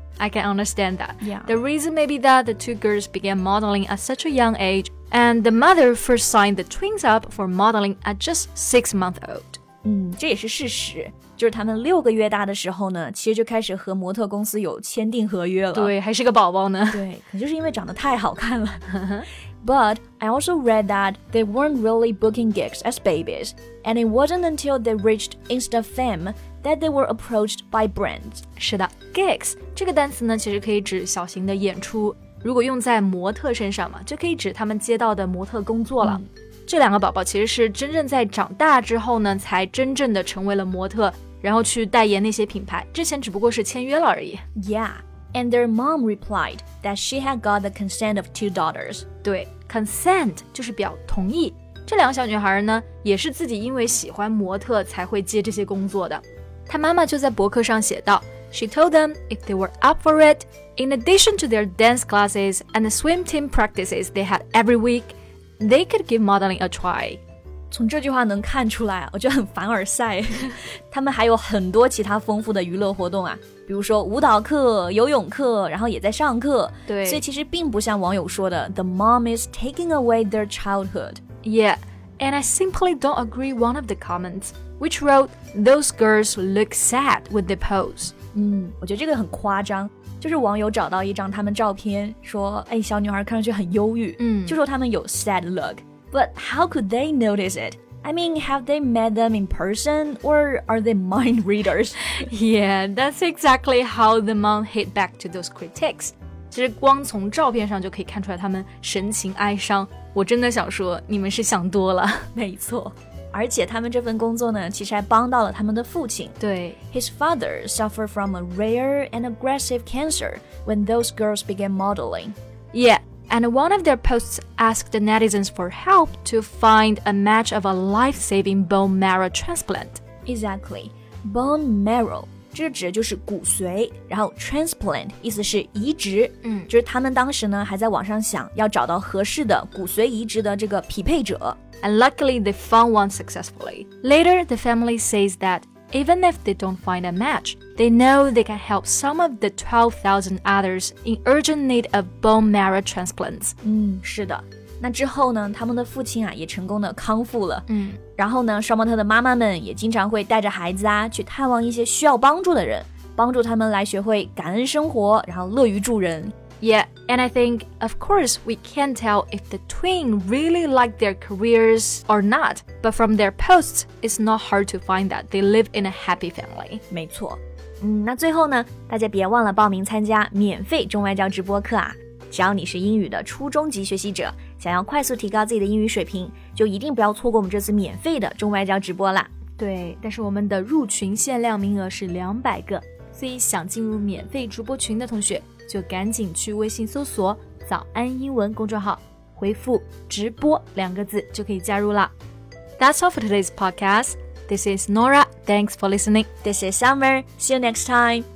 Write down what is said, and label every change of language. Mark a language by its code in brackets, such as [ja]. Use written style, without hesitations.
[en] I can understand that. Yeah. The reason may be that the two girls began modeling at such a young age, and the mother first signed the twins up for modeling at just 6 months old. [zh] 这也是事实，就是他们六个月大的时候呢，其实就开始和模特公司有签订合约了。对，还是个宝宝呢。对，可就是因为长得太好看了。 [en] But I also read that they weren't really booking gigs as babies, and it wasn't until they reached Insta fame. That they were approached by brands. [zh] 是的 ,gigs, 这个单词呢其实可以指小型的演出。如果用在模特身上嘛，就可以指他们接到的模特工作了。这两个宝宝其实是真正在长大之后呢，才真正的成为了模特，然后去代言那些品牌，之前只不过是签约了而已。 [en] Yeah, and their mom replied that she had got the consent of two daughters. [zh] 对 ,consent 就是表同意。这两个小女孩呢，也是自己因为喜欢模特才会接这些工作的。她妈妈就在博客上写道 [en] She told them if they were up for it, in addition to their dance classes and the swim team practices they had every week, they could give modeling a try. [zh] 从这句话能看出来，我觉得很凡尔赛。他们还有很多其他丰富的娱乐活动啊，比如说舞蹈课、游泳课，然后也在上课。对，所以其实并不像网友说的 [en] The mom is taking away their childhood. Yeah. And I simply don't agree with one of the comments, which wrote, those girls look sad with the pose. [zh] 我觉得这个很夸张。就是网友找到一张他们照片说，哎，小女孩看上去很忧郁，就说他们有 [en] sad look. But how could they notice it? I mean, have they met them in person or are they mind readers? Yeah, that's exactly how the mom hit back to those critics. [zh] 其实光从照片上就可以看出来他们神情哀伤，我真的想说你们是想多了。没错，而且他们这份工作呢，其实还帮到了他们的父亲。对 [en] His father suffered from a rare and aggressive cancer when those girls began modeling. Yeah, and one of their posts asked the netizens for help to find a match of a life-saving bone marrow transplant. Exactly, bone marrow. [zh] 这指就是骨髓，然后 transplant 意思是移植，就是他们当时呢还在网上想要找到合适的骨髓移植的这个匹配者。 [en] And luckily they found one successfully. Later, the family says that even if they don't find a match, they know they can help some of the 12,000 others in urgent need of bone marrow transplants. [zh] 是的。那之后呢，他们的父亲啊也成功的康复了。然后呢，双胞胎的妈妈们也经常会带着孩子啊去探望一些需要帮助的人，帮助他们来学会感恩生活，然后乐于助人。 [en] Yeah, and I think, of course, we can't tell if the twin really like their careers or not, but from their posts, it's not hard to find that they live in a happy family. [zh] 没错。那最后呢，大家别忘了报名参加免费中外教直播课啊。只要你是英语的初中级学习者，想要快速提高自己的英语水平，就一定不要错过我们这次免费的中外教直播啦。对，但是我们的入群限量名额是200个，所以想进入免费直播群的同学，就赶紧去微信搜索早安英文公众号，回复直播两个字就可以加入了。 [en] That's all for today's podcast. This is Nora. Thanks for listening. This is Summer. See you next time.